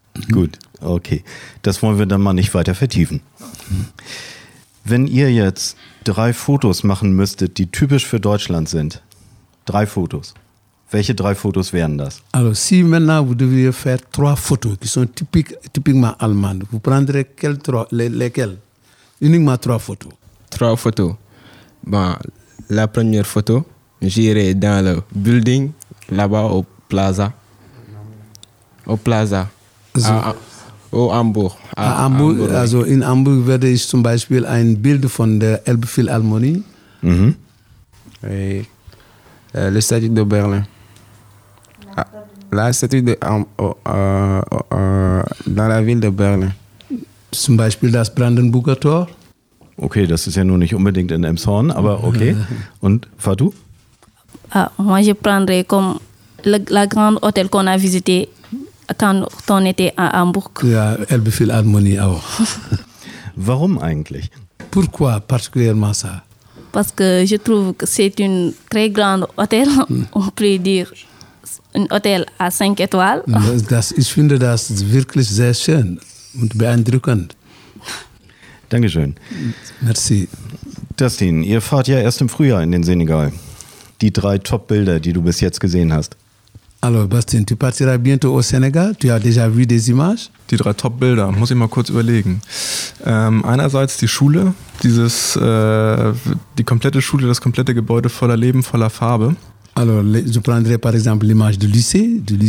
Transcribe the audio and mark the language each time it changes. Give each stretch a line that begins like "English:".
German: Gut, okay. Das wollen wir dann mal nicht weiter vertiefen. Wenn ihr jetzt drei Fotos machen müsstet, die typisch für Deutschland sind, drei Fotos, welche drei Fotos wären das?
French: Also, si maintenant vous deviez faire trois photos qui sont typiquement allemandes, vous prendrez lesquelles? Uniquement trois photos. Trois photos. Bon, la première photo, j'irai dans le building là-bas au Plaza. Au Plaza. So. Au Hamburg. Hamburg.
German: Also in Hamburg werde ich zum Beispiel ein Bild von der Elbphilharmonie. Mhm.
French: Le Statut de Berlin. La Statut de dans la ville de Berlin.
German: Zum Beispiel das Brandenburger Tor. Okay, das ist ja nun nicht unbedingt in Elmshorn, aber okay. Und Fatou?
French: Ah, moi je prendrai comme la grande hôtel qu'on a visité quand on était à Hamburg.
German: Ja, Elbphilharmonie auch. Warum eigentlich?
French: Pourquoi particulièrement ça? Parce que je trouve que c'est une très grande hôtel, on peut dire un hôtel à 5 étoiles.
German: Das, ich finde das wirklich sehr schön und beeindruckend. Dankeschön.
French: Merci.
German: Dustin, ihr fahrt ja erst im Frühjahr in den Senegal. Die drei Top-Bilder, die du bis jetzt gesehen hast.
French: Alors, Bastien, tu partiras bientôt au Sénégal? Tu as déjà vu des images?
German: Die drei Top-Bilder, muss ich mal kurz überlegen. Einerseits die Schule, die komplette Schule, das komplette Gebäude voller Leben, voller Farbe.
French: Alors, je prendrai par exemple l'image du lycée.